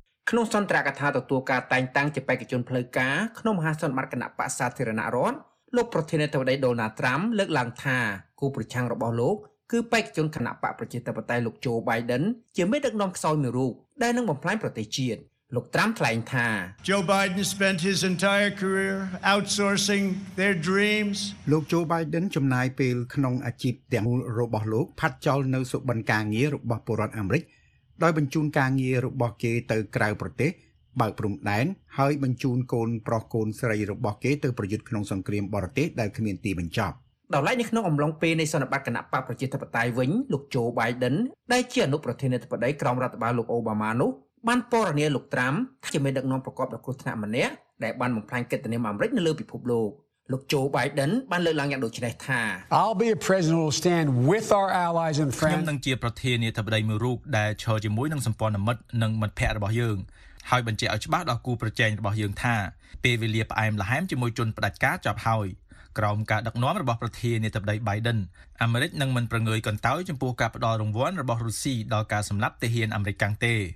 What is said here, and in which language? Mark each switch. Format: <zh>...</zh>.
<km>ក្នុងសន្ទរកថាទទួលការតែងតាំងជាបេក្ខជនផ្លូវការក្នុងមហាសន្និបាតគណៈបក្សសាធារណរដ្ឋលោកប្រធានាធិបតីដូណាល់ត្រាំលើកឡើងថាគូប្រឆាំងរបស់លោកគឺបេក្ខជនគណៈបកប្រជាធិបតេយ្យលោកជូបៃដិនជាមេដឹកនាំខ្សោយមួយរូបដែលនឹងបំផ្លាញប្រទេសជាតិលោកត្រាំថ្លែងថា</km> <en>Joe Biden spent his entire career outsourcing their dreams</en> <km>លោកជូបៃដិនចំណាយពេលក្នុងអាជីពទាំងរបស់លោកផាត់ចោលនៅសុបិនការងាររបស់ពលរដ្ឋអាមេរិកដោយបញ្ជូនការងាររបស់គេទៅក្រៅប្រទេសបើកព្រំដែនហើយបញ្ជូនកូនប្រុសកូនស្រីរបស់គេទៅប្រយុទ្ធក្នុងសង្គ្រាមបរទេសដែលគ្មានទីបញ្ចប់ ដល់ឡែកនេះក្នុងអំឡុងពេលនៃសន្និបាតគណៈបកប្រជាធិបតេយ្យវិញលោកជូបៃដិនដែលជាអនុប្រធានាធិបតីក្រោមរដ្ឋបាលលោកអូបាម៉ានោះបានពណ៌នាលោកត្រាំថាជាមេដឹកនាំប្រកបដោយគ្រោះថ្នាក់ម្នាក់ដែលបានបំផ្លាញកិត្តិនាមអាមេរិកនៅលើពិភពលោកលោកជូបៃដិនបានលើកឡើងយ៉ាងដូចនេះថា</km> <en>I'll be a president who will stand with our allies and friends</en> <km>ខ្ញុំនឹងជាប្រធានាធិបតីមួយរូបដែលឈរជាមួយនឹងសម្ព័ន្ធមិត្តនិងមិត្តភ័ក្តិរបស់យើងហើយបញ្ជាក់ឲ្យច្បាស់ដល់គូប្រជែងរបស់យើងថាពេលវេលាផ្អែមល្ហែមជាមួយជនផ្ដាច់ការចាប់ហើយក្រោមការដឹកនាំរបស់ប្រធានាធិបតី Biden អាមេរិកនឹងមិនប្រងើយកន្តើយចំពោះការផ្តល់រង្វាន់របស់រុស្ស៊ីដល់ការសម្លាប់ទាហានអាមេរិកកាំងទេ</km>